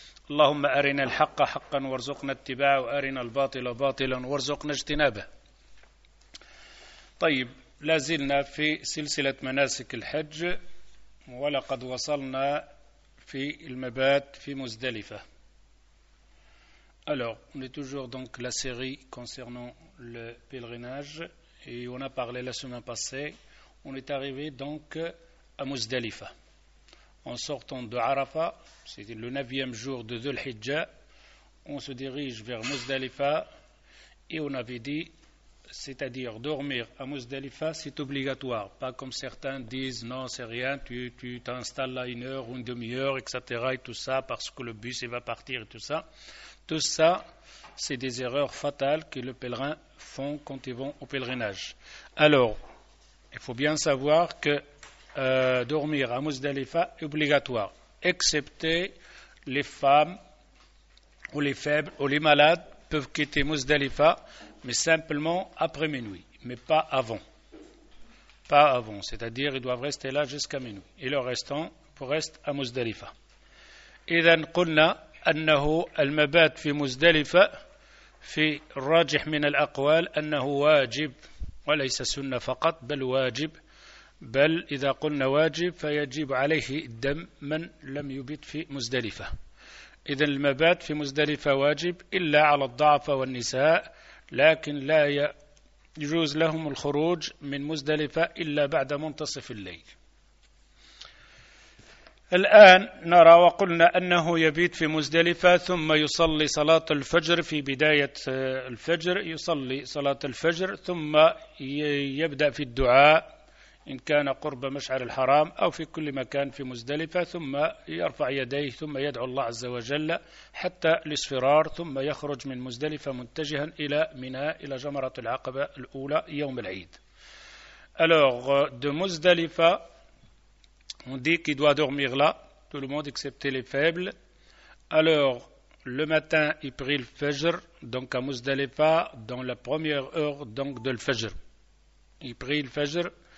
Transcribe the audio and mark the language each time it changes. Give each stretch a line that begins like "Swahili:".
Arabic: اللهم أرنا الحق حقا وارزقنا اتباعه، وأرنا الباطل باطلا وارزقنا اجتنابه. طيب، لازلنا في سلسلة مناسك الحج، ولقد وصلنا في المبات في مزدلفة.
French: Alors, on est toujours donc la série concernant le pèlerinage et on a parlé la semaine passée. On est arrivé donc à Muzdalifa. En sortant de Arafat, c'était le 9e jour de Dhul-Hijja, on se dirige vers Muzdalifa et on avait dit, c'est-à-dire dormir à Muzdalifa, c'est obligatoire. Pas comme certains disent, non, c'est rien, tu t'installes là une heure ou une demi-heure, etc. et tout ça, parce que le bus il va partir et tout ça. Tout ça, c'est des erreurs fatales que les pèlerins font quand ils vont au pèlerinage. Alors, il faut bien savoir que dormir à Muzdalifa est obligatoire, excepté les femmes ou les faibles ou les malades peuvent quitter Muzdalifa, mais simplement après minuit, mais pas avant. Pas avant, c'est-à-dire ils doivent rester là jusqu'à minuit. Et le restant reste à Muzdalifa.
Arabic: إذن قلنا أنه المبات في مزدلفة في الراجح من الأقوال أنه واجب وليس سنة فقط بل واجب، بل إذا قلنا واجب فيجب عليه الدم من لم يبت في مزدلفة. إذن المبات في مزدلفة واجب إلا على الضعف والنساء، لكن لا يجوز لهم الخروج من مزدلفة إلا بعد منتصف الليل. الآن نرى وقلنا أنه يبيت في مزدلفة ثم يصلي صلاة الفجر في بداية الفجر، يصلي صلاة الفجر ثم يبدأ في الدعاء إن كان قرب مشعر الحرام أو في كل مكان في مزدلفة، ثم يرفع يديه ثم يدعو الله عز وجل حتى الاصفرار، ثم يخرج من مزدلفة متجها إلى ميناء، إلى جمرة العقبة الأولى يوم العيد.
French: Alors de Muzdalifa, on dit qu'il doit dormir là, tout le monde excepté les faibles. Alors, le matin, il prie le Fajr, donc à Muzdalifa, dans la première heure donc de le Fajr. Il prie le Fajr.